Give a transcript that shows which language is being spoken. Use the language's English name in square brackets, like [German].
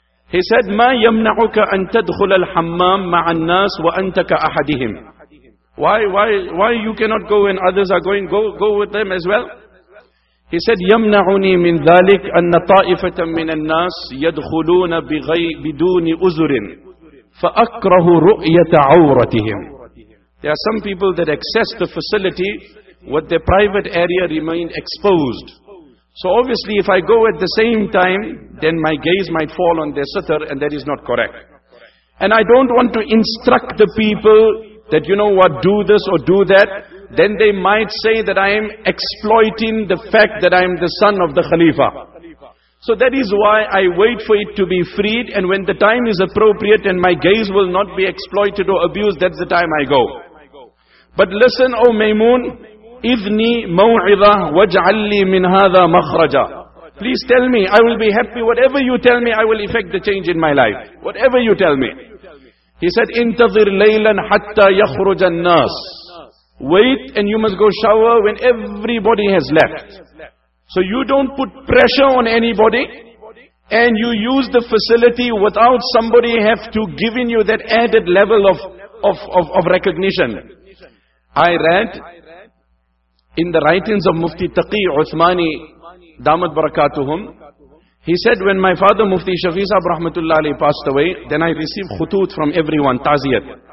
[English] He said, [Arabic] ما يمنعك أن تدخل الحمام مع الناس وأنتك أحدهم. [English] Why you cannot go when others are going? Go with them as well. He said, [Arabic] يمنعني من ذلك أن طائفة من الناس يدخلون بدون عذر. فَأَكْرَهُ رُؤْيَةَ عَوْرَتِهِمْ. [English] There are some people that access the facility with their private area remain exposed. So obviously if I go at the same time, then my gaze might fall on their sitter, and that is not correct. And I don't want to instruct the people that, you know what, do this or do that. Then they might say that I am exploiting the fact that I am the son of the Khalifa. So that is why I wait for it to be freed, and when the time is appropriate and my gaze will not be exploited or abused, that's the time I go. But listen, O Maymoon, [Arabic] إِذْنِي مَوْعِظَةً وَاجْعَلْ لِي مِنْ هَذَا مَخْرَجًا. [English] Please tell me, I will be happy. Whatever you tell me, I will effect the change in my life. Whatever you tell me. He said, [Arabic] إِنْتَظِرْ لَيْلًا حَتَّى يَخْرُجَ النَّاسِ. [English] Wait, and you must go shower when everybody has left. So you don't put pressure on anybody, and you use the facility without somebody have to giving you that added level of recognition. I read in the writings of Mufti Taqi Uthmani, Damat Barakatuhum, he said, when my father Mufti Shafi Sahab Rahmatullah Ali passed away, then I received khutut from everyone, taziyat.